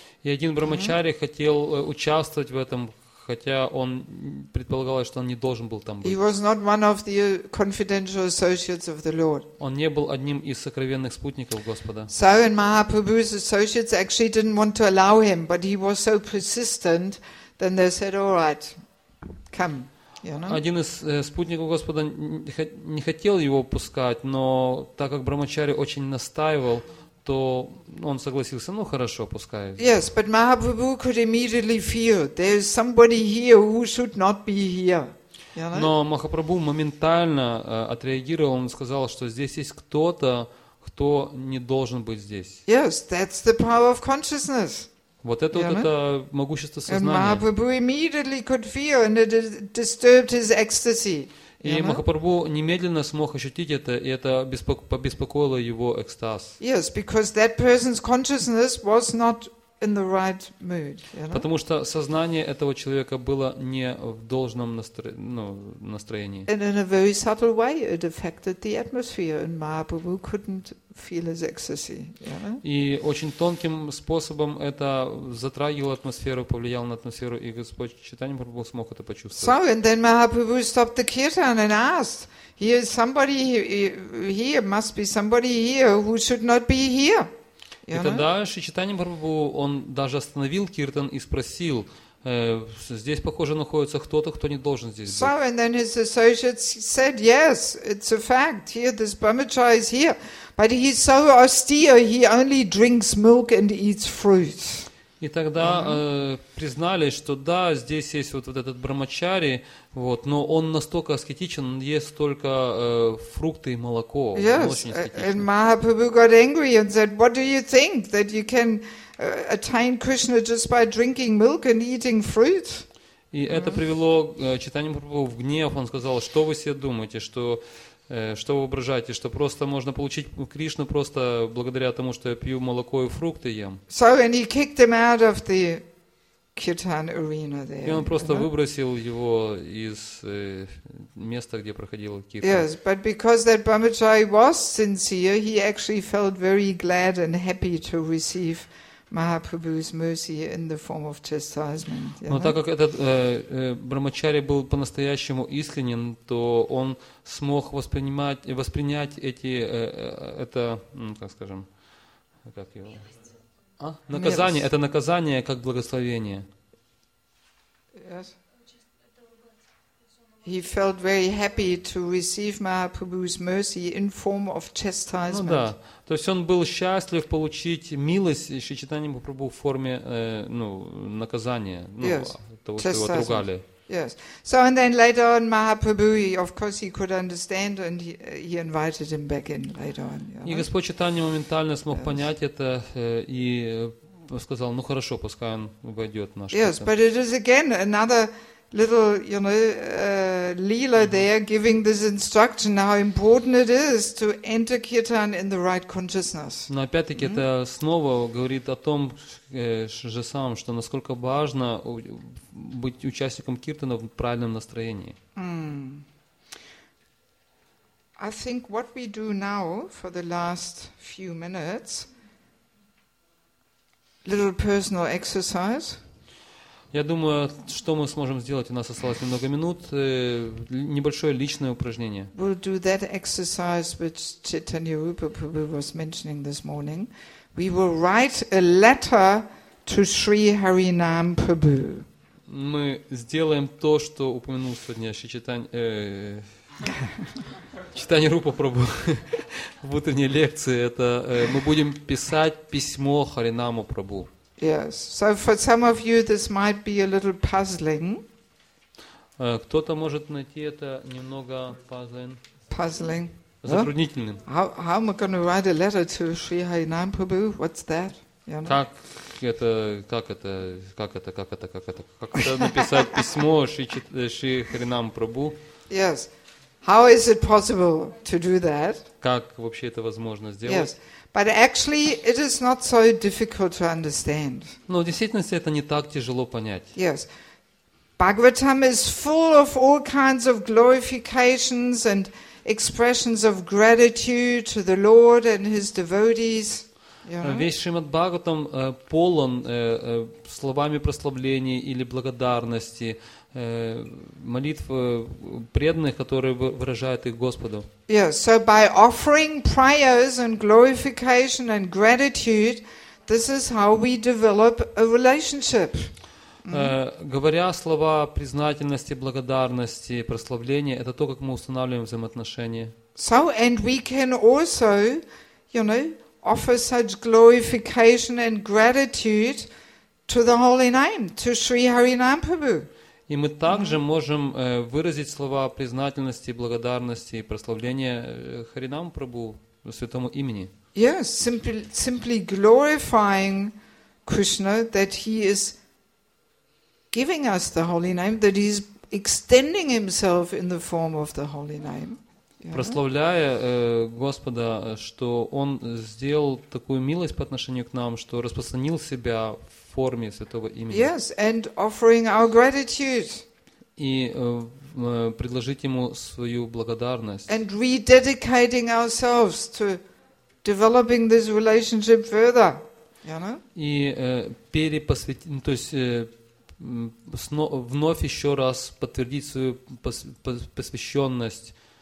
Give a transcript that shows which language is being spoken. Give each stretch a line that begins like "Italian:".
Russian: И один брахмачари mm-hmm. хотел участвовать в этом, хотя он предполагалось, что он не должен был там быть.
English: He was not one of the confidential associates of the Lord.
Russian: Он не был одним из сокровенных спутников Господа.
English: So and Mahaprabhu's associates actually didn't want to allow him, but he was so persistent, then they said, "All right, come." You know?
Russian: Один из спутников Господа не хотел его пускать, но так как брахмачари очень настаивал, то он согласился, ну хорошо, пускай.
English: Yes, but Mahaprabhu could immediately feel there is somebody here who should not be here.
Russian: Но Махапрабху моментально отреагировал, он сказал, что здесь есть кто-то, кто не должен быть здесь.
English: Yes, that's the power of consciousness.
Russian: Вот это вот это могущество сознания.
English: And Mahaprabhu immediately could feel and it disturbed his ecstasy.
Russian: И Махапрабху немедленно смог ощутить это, и это побеспокоило его экстаз.
English: Yes, because that person's consciousness was not in the right mood. You know?
Russian: Потому что сознание этого человека было не в должном настроении.
English: And in a very subtle way, it affected the atmosphere, and Mahaprabhu couldn't feel his ecstasy. You know?
Russian: И очень тонким способом это затрагивало атмосферу, повлияло на атмосферу, и Господь Чайтанья Махапрабху смог это почувствовать.
English: So, and then Mahaprabhu stopped the kirtan and asked, "Here is somebody here. Must be somebody here who should not be here."
Russian: И тогда Шри Чайтанья Махапрабху, он даже остановил киртан и спросил, здесь, похоже, находится кто-то, кто не должен здесь быть.
English: So, and then his associates said, yes, it's a fact, here, this brahmachari is here, but he's so austere, he only drinks milk and eats fruit.
Russian: И тогда признали, что да, здесь есть вот этот брахмачари, вот, но он настолько аскетичен, он ест только фрукты и молоко.
English: Yes, and Mahaprabhu got angry and said, "What do you think that you can attain Krishna just by drinking milk and eating fruit?"
Russian: И это привело Чайтанья Махапрабху в гнев. Он сказал: "Что вы себе думаете, что вы воображаете, что просто можно получить Кришну просто благодаря тому, что я пью молоко и фрукты ем?"
English: So and he kicked him out of the kirtan arena there.
Russian: И он просто выбросил его из места, где проходил киртан.
English: Yes, but because that brahmachari was sincere, he actually felt very glad and happy to receive Mahaprabhu's mercy in the form of chastisement.
Russian: Но так как этот брахмачари был по-настоящему искренен, то он смог воспринять наказание. Это наказание как благословение.
English: Yes. He felt very happy to receive Mahaprabhu's mercy in form of chastisement.
Russian: Ну да. То есть он был счастлив получить милость Шри Чайтанья Махапрабху в форме наказания, того, что его отругали.
English: Yes. So and then later on, Mahaprabhu, of course, he could understand, and he invited him back in later on.
Russian: И Господь Чайтанья моментально смог понять это и сказал: "Ну хорошо, пускай он войдет в наш
English: Yes, but it is again another little, you know, lila there, giving this instruction how important it is to enter kirtan in the right consciousness.
Russian: Но опять-таки это снова говорит о том же самом, что насколько важно быть участником киртана в правильном настроении.
English: I think what we do now for the last few minutes, little personal exercise.
Russian: Я думаю, что мы сможем сделать, у нас осталось немного минут, небольшое личное упражнение.
English: We'll do that exercise which Chaitanya Rupa Prabhu was mentioning this morning. We will write a letter to Sri Harinam Prabhu.
Russian: Мы сделаем то, что упомянул сегодня Шичитань, читание Рупа Прабху в утренней лекции. Это мы будем писать письмо Харинаму Прабху.
English: Yes. So for some of you this might be a little puzzling.
Russian: Кто-то может найти это немного puzzling.
English: Puzzling.
Russian: Затруднительным.
English: How am I going to write a letter to Sri Harinam Prabhu? What's that? You know?
Russian: Как это написать письмо Шри Харинам Прабху?
English: Yes. How is it possible to do that?
Russian: Как вообще это возможно сделать?
English: Yes. But actually, it is not so difficult to understand.
Russian: Но в действительности это не так тяжело понять.
English: Yes. Bhagavatam is full of all kinds of glorifications and expressions of gratitude to the Lord and His devotees.
Russian: Весь Шримад-Бхагаватам полон словами прославления или благодарности, молитв преданных, которые выражают их Господу.
English: Yes, so by offering prayers and glorification and gratitude, this is how we develop a relationship.
Russian: Говоря слова признательности, благодарности, прославления, это то, как мы устанавливаем взаимоотношения.
English: So, and we can also, you know, offer such glorification and gratitude to the Holy Name, to Sri Harinam Prabhu.
Russian: И мы также можем выразить слова признательности, благодарности и прославления Харинам Прабху, Святому имени.
English: Yes, simply glorifying Krishna that He is giving us the Holy Name, that He is extending Himself in the form of the Holy Name. Yeah.
Russian: Прославляя Господа, что Он сделал такую милость по отношению к нам, что распространил Себя в форме Святого имени.
English: Yes, and offering our gratitude.
Russian: И предложить Ему свою благодарность.
English: And rededicating ourselves to developing this relationship further.
Russian: И перепосвятить, то есть вновь еще раз подтвердить свою посвященность.